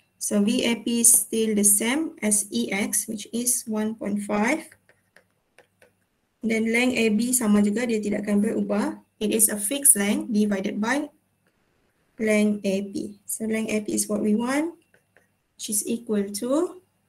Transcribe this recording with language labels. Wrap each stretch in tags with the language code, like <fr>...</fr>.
<en>So VAP still the same as EX, which is 1.5.</en> <ms>Then length AB sama juga, dia tidak akan berubah.</ms> <en>It is a fixed length divided by length AP. So length AP is what we want, which is equal to</en>